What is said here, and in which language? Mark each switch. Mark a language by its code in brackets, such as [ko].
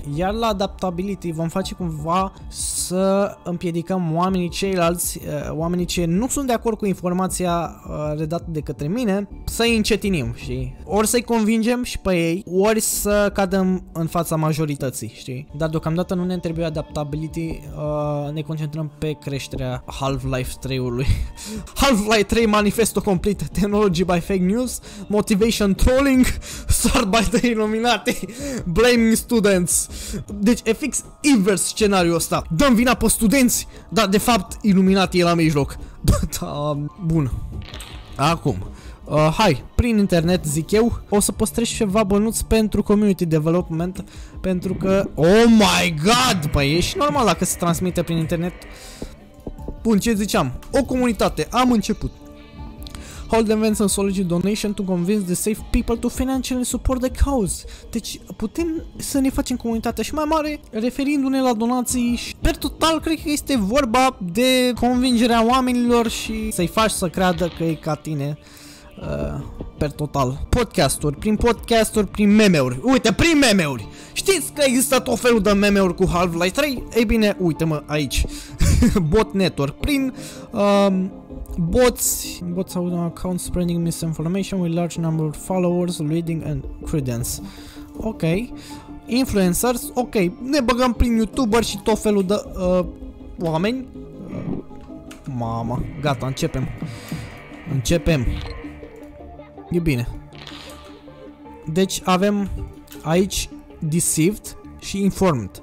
[ro] Iar la adaptability vom face cumva să împiedicăm oamenii ceilalți, oamenii ce nu sunt de acord cu informația redată de către mine, să-i încetinim, știi? Ori să-i convingem și pe ei, ori să cadem în fața majorității, știi? Dar deocamdată nu ne trebuie adaptability, ne concentrăm pe creșterea Half-Life 3-ului. [en] Half-Life 3 manifesto complet, technology by fake news, motivation trolling, sword by the Illuminati, blaming students. [ro] Deci e fix invers scenariul ăsta. Dăm vina pe studenți, dar de fapt Illuminati e la mijloc. Bun. Acum, hai, prin internet, zic eu, o să păstrezi ceva bănuț pentru community development, pentru că, [en] oh my god, [ro] băi, e și normal dacă se transmite prin internet. Bun, ce ziceam? O comunitate, am început. [en] Hold events and solicit donation to convince the safe people to financially support the cause. [ro] Deci putem să ne facem comunitatea și mai mare referindu-ne la donații și per total cred că este vorba de convingerea oamenilor și să-i faci să creadă că e ca tine. Per total. Podcasturi, prin meme-uri. Uite, prin meme-uri. Știți că există tot felul de meme-uri cu Half-Life 3? Ei bine, uite-mă aici. Bot network. [en] Prin bots have an account spreading misinformation with large number of followers, leading and credence. [ro] Ok. Influencers. Ok. Ne băgăm prin YouTuber și tot felul de oameni. Mama. Gata, începem. Începem. E bine. Deci avem aici deceived și informed.